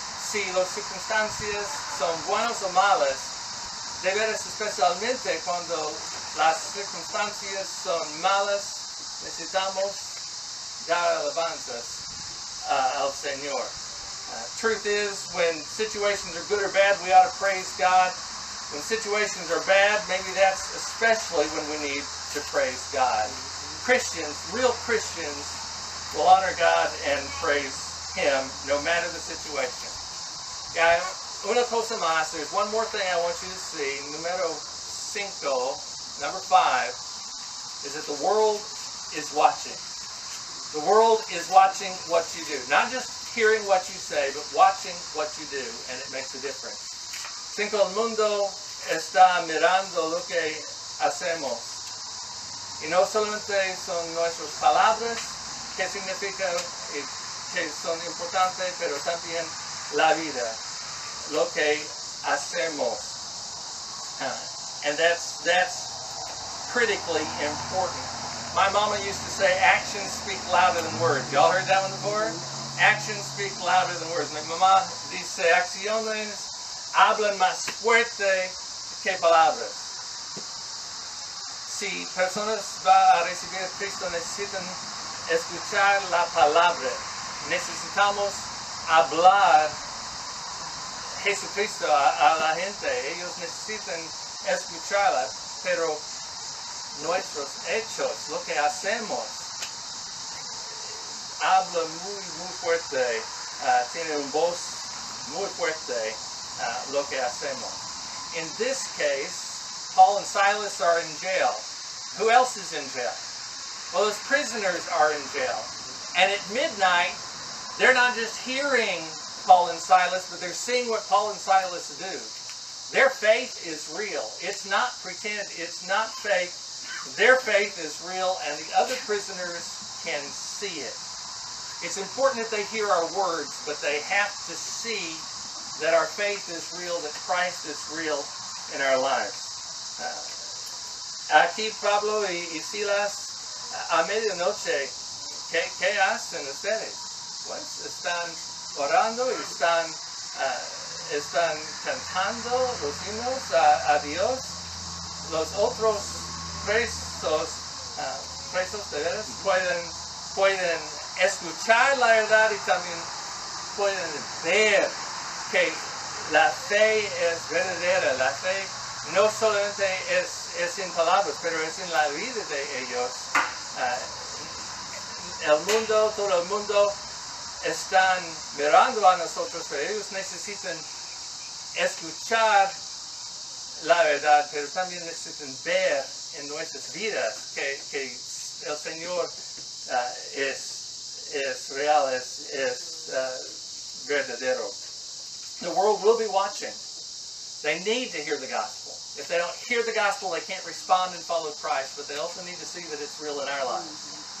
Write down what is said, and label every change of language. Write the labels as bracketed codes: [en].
[es] Si las circunstancias son buenas o malas, de veras, especialmente cuando las circunstancias son malas, necesitamos dar alabanzas al Señor. [en] Truth is, when situations are good or bad, we ought to praise God. When situations are bad, maybe that's especially when we need to praise God. Christians, real Christians, will honor God and praise Him no matter the situation. Yeah, [es] una cosa más. [en] There's one more thing I want you to see. [es] Numero cinco, [en] number five, is that the world is watching. The world is watching what you do. Not just hearing what you say, but watching what you do, and it makes a difference. [es] Cinco, el mundo está mirando lo que hacemos. Y no solamente son nuestras palabras, que significa que son importantes, pero también la vida. Lo que hacemos. [en] And that's critically important. My mama used to say, actions speak louder than words. Y'all heard that one before? Actions speak louder than words. [es] Mi mamá dice, acciones hablan más fuerte que palabras. Si personas van a recibir a Cristo, necesitan escuchar la palabra. Necesitamos hablar Jesucristo a la gente. Ellos necesitan escucharla, pero nuestros hechos, lo que hacemos, habla muy, muy fuerte. Tiene un voz muy fuerte lo que hacemos. [en] In this case, Paul and Silas are in jail. Who else is in jail? Well, those prisoners are in jail. And at midnight, they're not just hearing Paul and Silas, but they're seeing what Paul and Silas do. Their faith is real. It's not pretend. It's not fake. Their faith is real, and the other prisoners can see it. It's important that they hear our words, but they have to see that our faith is real, that Christ is real in our lives. [es] Aquí Pablo y Silas, a medianoche, ¿qué hacen ustedes? Pues están orando y están cantando los himnos a Dios. Los otros tres sos presos de veras, pueden escuchar la verdad y también pueden ver que la fe es verdadera. La fe no solamente es en palabras, pero es en la vida de ellos. El mundo, todo el mundo están mirando a nosotros, pero ellos necesitan escuchar la verdad, pero también necesitan ver en nuestras vidas que el Señor es real, es verdadero. [en] The world will be watching. They need to hear the gospel. If they don't hear the gospel, they can't respond and follow Christ, but they also need to see that it's real in our lives.